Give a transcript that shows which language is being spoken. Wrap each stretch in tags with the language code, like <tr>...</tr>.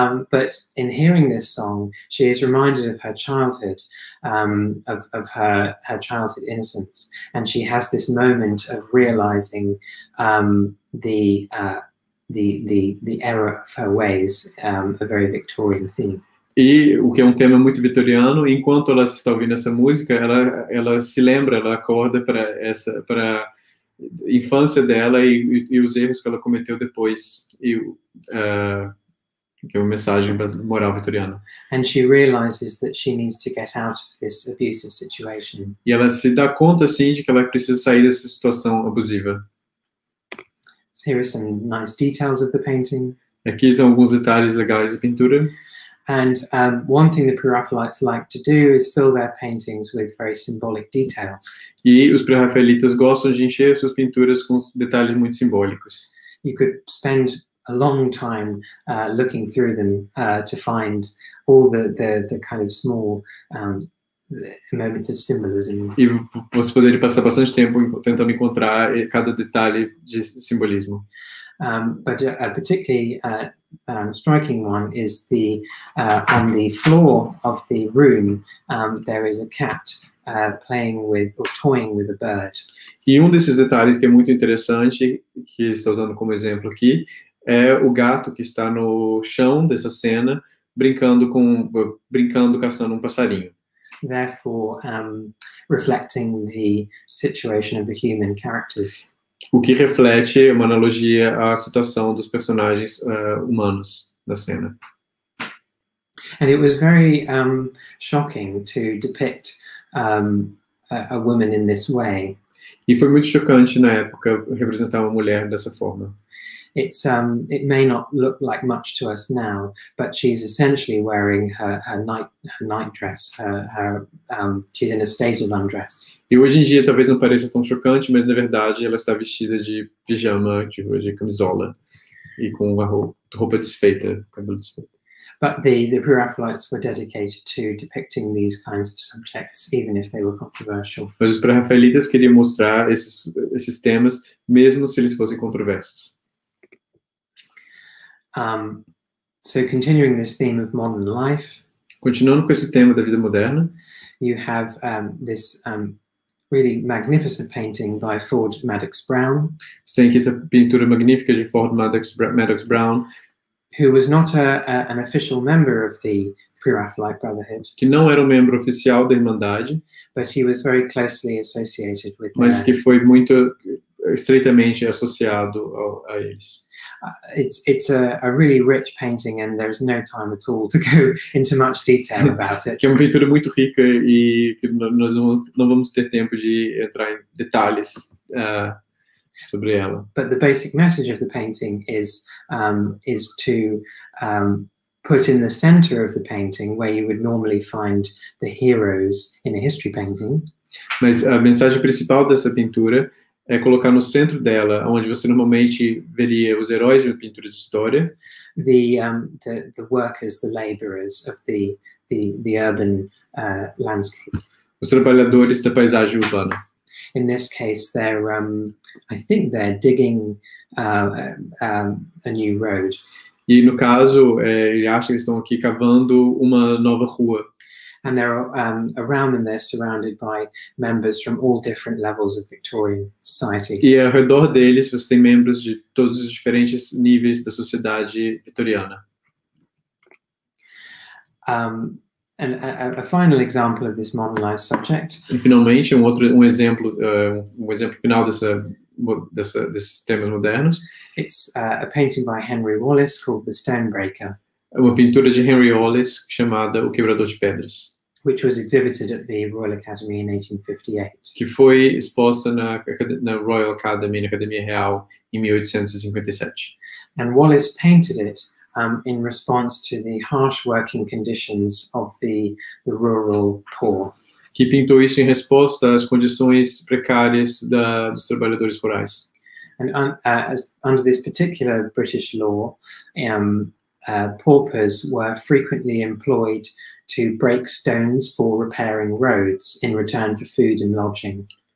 <en>But in hearing this song, she is reminded of her childhood, of her childhood innocence, and she has this moment of realizing the error of her ways, a very Victorian theme.</en> <pt>E o que é um tema muito vitoriano, enquanto ela está ouvindo essa música, ela se lembra, ela acorda para a infância dela e os erros que ela cometeu depois, que é uma mensagem moral vitoriana.</pt> <en>And she realizes that she needs to get out of this abusive situation.</en> <pt>E ela se dá conta, assim, de que ela precisa sair dessa situação abusiva.</pt> <en>So here are some nice details of the painting.</en> <pt>Aqui são alguns detalhes legais da pintura.</pt> <en>And one thing the Pre-Raphaelites like to do is fill their paintings with very symbolic details.</en> <pt>E os Pre-Raphaelitas gostam de encher suas pinturas com detalhes muito simbólicos.</pt> <en>You could spend a long time looking through them to find all the kind of small moments of symbolism.</en> <pt>E você poderia passar bastante tempo tentando encontrar cada detalhe de simbolismo.</pt> <en>But a particularly striking one is the on the floor of the room there is a cat playing with or toying with a bird.</en> <pt>E um desses detalhes que é muito interessante, que está usando como exemplo aqui, é o gato que está no chão dessa cena brincando caçando um passarinho.</pt> <en>Therefore, reflecting the situation of the human characters.</en> <pt>O que reflete uma analogia à situação dos personagens humanos na cena.</pt> <en>And it was very shocking to depict a woman in this way.</en> <pt>E foi muito chocante na época representar uma mulher dessa forma.</pt> <en>It's it may not look like much to us now, but she's essentially wearing her night dress. She's in a state of undress.</en> <pt>E hoje em dia talvez não pareça tão chocante, mas na verdade ela está vestida de pijama, de camisola, e com uma roupa desfeita, cabelo desfeito.</pt> <en>But the Pre-Raphaelites were dedicated to depicting these kinds of subjects, even if they were controversial.</en> <pt>Mas os Pre-Raphaelitas queriam mostrar esses temas, mesmo se eles fossem controversos.</pt> <en>So continuing this theme of modern life.</en> <pt>Continuando com esse tema da vida moderna.</pt> <en>You have this really magnificent painting by Ford Madox Brown.</en> <pt>Tem aqui essa pintura magnífica de Ford Madox Brown,</pt> <en>who was not an official member of the Pre-Raphaelite Brotherhood.</en> <pt>Que não era um membro oficial da Irmandade,</pt> <en>but he was very closely associated with.</en> <pt>Mas que foi muito estreitamente associado a eles.</pt> <en>It's a really rich painting and there's no time at all to go into much detail about it.</en> <pt>Que é uma pintura muito rica e que nós não vamos ter tempo de entrar em detalhes sobre ela.</pt> <en>But the basic message of the painting is to put in the center of the painting where you would normally find the heroes in a history painting.</en> <pt>Mas a mensagem principal dessa pintura é colocar no centro dela, onde você normalmente veria os heróis de uma pintura de história.</pt> <en>The workers, the laborers of the urban landscape.</en> <pt>Os trabalhadores da paisagem urbana.</pt> <en>In this case, they're I think they're digging a new road.</en> <pt>E no caso, ele acha que eles estão aqui cavando uma nova rua.</pt> <en>And they're around them. They're surrounded by members from all different levels of Victorian society.</en> <pt>E ao redor deles, você tem membros de todos os diferentes níveis da sociedade vitoriana.</pt> <en>And a final example of this modern life subject.</en> <pt>E finalmente, um exemplo final desses temas modernos.</pt> <en>It's a painting by Henry Wallace called The Stonebreaker.</en> <pt>Uma pintura de Henry Wallace chamada O Quebrador de Pedras.</pt> <en>Which was exhibited at the Royal Academy in 1858.</en> <pt>Que foi exposta na Royal Academy, na Academia Real, em 1857.</pt> <en>And Wallace painted it in response to the harsh working conditions of the rural poor.</en> <pt>Que pintou isso em resposta às condições precárias dos trabalhadores rurais.</pt> <en>And under this particular British law, paupers were frequently employed to break stones for repairing roads in return for food and lodging.</en>